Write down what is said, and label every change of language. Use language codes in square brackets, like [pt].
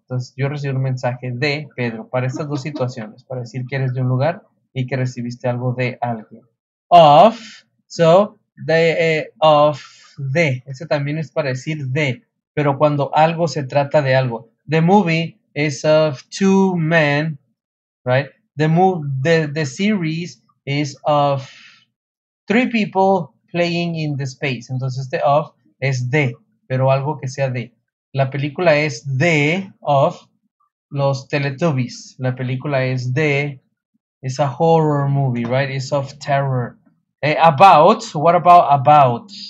[es] Entonces, yo recibí un mensaje de Pedro para estas dos situaciones, para decir que eres de un lugar y que recibiste algo de alguien. Of, so, de, of, de. Ese también es para decir de, pero cuando algo se trata de algo. [en] The movie is of two men, right? The series is of three people playing in the space. [es] Entonces, este of es de, pero algo que sea de. La película es de of los Teletubbies. La película es de, [en] it's a horror movie, right? It's of terror. About, what about?